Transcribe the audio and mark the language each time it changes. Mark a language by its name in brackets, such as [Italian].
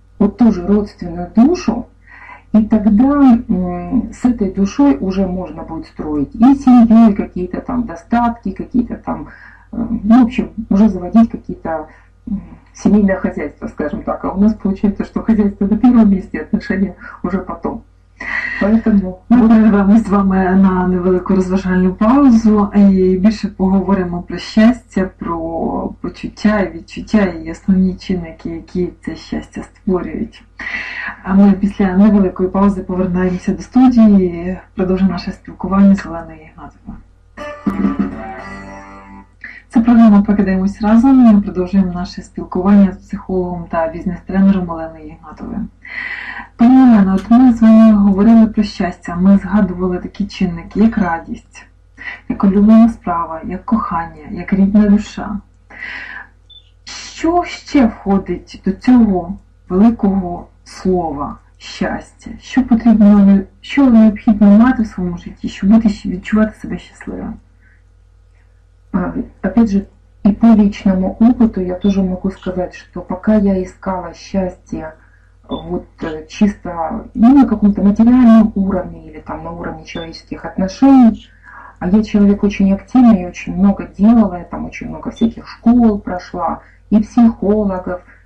[Russian] Вот тоже родственную душу. И тогда с этой душой уже можно будет строить и семью, и какие-то там достатки, какие-то там, ну, в общем, уже заводить какие-то семейные хозяйства, скажем так. А у нас получается, что хозяйство на первом месте, отношения уже потом. Поэтому [Ukrainian] ми перервемо з вами на невелику розважальну паузу і більше поговоримо про щастя, про почуття, відчуття і основні чинники, які це щастя створюють. А ми після невеликої паузи повернаємося до студії і продовжимо наше спілкування з Оленою Ігнатовою. Це програма «Покидаємось разом». Ми продовжуємо наше спілкування з психологом та бізнес-тренером Оленою Ігнатовою. Пані Олено, от ми з вами говорили про щастя, ми згадували такі чинники, як радість, як улюблена справа, як кохання, як рідна душа. Що ще входить до цього великого слова щастя? Що потрібно, що необхідно мати в своєму житті, щоб бути, відчувати себе щасливим? Опять же, і по вічному опиту я теж можу сказати, що поки я іскала щастя, [Russian] вот чисто не на каком-то материальном уровне или там на уровне человеческих отношений, а я человек очень активный, я очень много делала, я там очень много всяких школ прошла, и психологов.